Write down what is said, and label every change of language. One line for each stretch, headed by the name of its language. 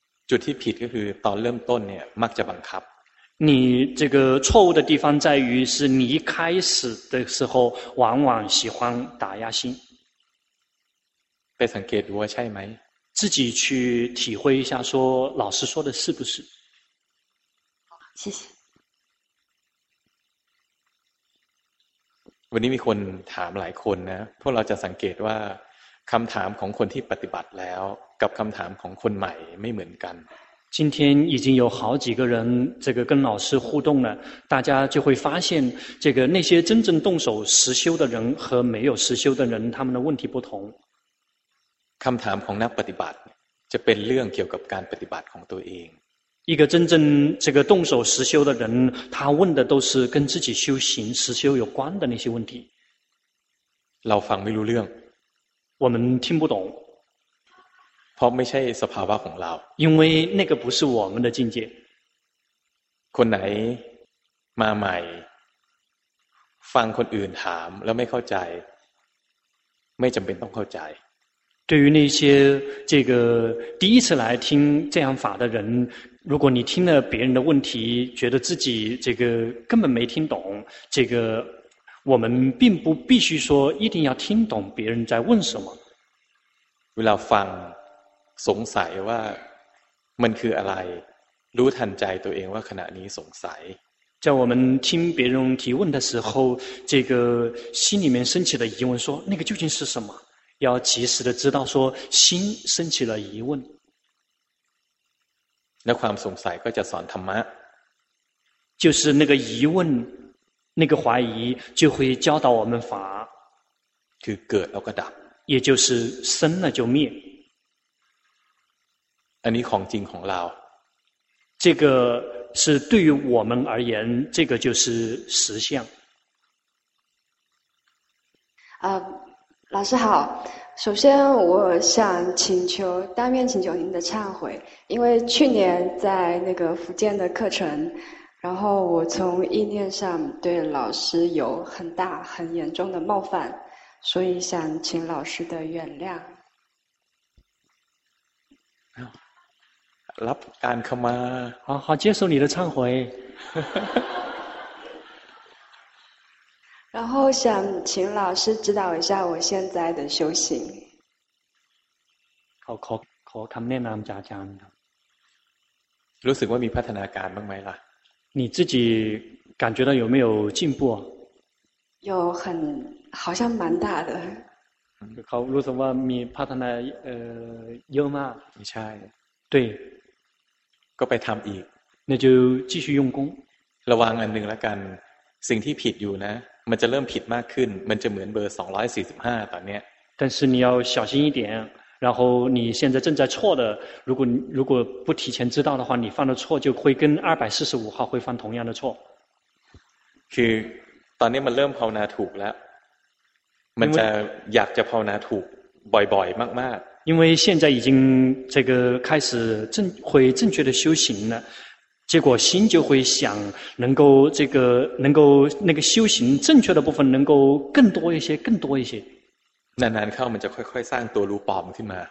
Thai: จุดที่ผิดก็คือตอนเริ่มต้นเนี่ยมักจะบังคับ
Chinese: 你这个错误的地方在于是你一开始的时候往往喜欢打压心被成给我猜没自己去体会一下说老师说的是不是谢谢
Thai: วันนี้มีคนถามหลายคนนะพวกเราจะสังเกตว่าคำถามของคนที่ปฏิบัติแล้วกับคำถามของคนใหม่ไม่เหมือนกัน
Chinese: 今天已经有好几个人这个跟老师互动了大家就会发现这个那些真正动手实修的人和没有实修的人他们的问题不同
Thai: คำถามของนักปฏิบัติจะเป็นเรื่องเกี่ยวกับการปฏิบัติของตัวเอง
Chinese: 一个真正这个动手实修的人他问的都是跟自己修行实修有关的那些问题
Thai: เราฟังไม่รู้เรื่อง
Chinese: 我们听不懂
Thai: เพราะไม่ใช่สภาวะของเรา
Chinese: 因为那个不是我们的境界
Thai: คนไหนมาใหม่ฟังคนอื่นถามแล้วไม่เข้าใจไม่จำเป็นต้องเข้าใจ
Chinese: 对于那些这个第一次来听这样法的人如果你听了别人的问题觉得自己这个根本没听懂这个我们并不必须说一定要听懂别人在问什么
Thai: เวลาฟัง สงสัยว่ามันคืออะไรรู้ทันใจตัวเองว่าขณะนี้สงสัย
Chinese: 在我们听别人提问的时候，这个心里面升起了疑问，说那个究竟是什么？要及时的知道，说心升起了疑问。
Thai: 那ความสงสัยก็จะสอนธรรมะ，
Chinese: 就是那个疑问，那个怀疑就会教导我们法。
Thai: คือเกิดแล้วก็ดับ，
Chinese: 也就是生了就灭。
Thai: อันนี้ของจริงของเรา，
Chinese: 这个。是对于我们而言，这个就是实相。老师好。首先，我想请求当面请求您的忏悔，因为去年在那个福建的课程，然后我从意念上对老师有很大、很严重的冒犯，所以想请老师的原谅。
Thai: รับการเข้ามา
Chinese: 好好接受你的忏悔然后想请老师指导一下我现在的修行
Thai: ขอคำแนะนำจากอาจารย์ครับ รู้สึกว่ามีพัฒนาการบ้างไหมล่ะ
Chinese: 你自己感觉到有没有进步有很好像蛮大的
Thai: เขารู้สึกว่ามีพัฒนาเยอะมาก ไม่ใช่
Chinese: 对
Thai: ก็ไปทำอีก
Chinese: 那就继续用功
Thai: ระวังอันหนึ่งแล้วกันสิ่งที่ผิดอยู่นะมันจะเริ่มผิดมากขึ้นมันจะเหมือนเบอร์245ตอนเนี้ย
Chinese: 但是你要小心一点然后你现在正在错的如果不提前知道的话你犯的错就会跟245号会犯同样的错
Thai: คือตอนนี้มันเริ่มภาวนาถูกแล้วมันจะอยากจะภาวนาถูกบ่อยๆมากๆ
Chinese: 因为现在已经这个开始正会正确的修行了，结果心就会想能够这个能够那个修行正确的部分能够更多一些更多一些。慢慢看，我们就快快上多路宝嘛，对吗？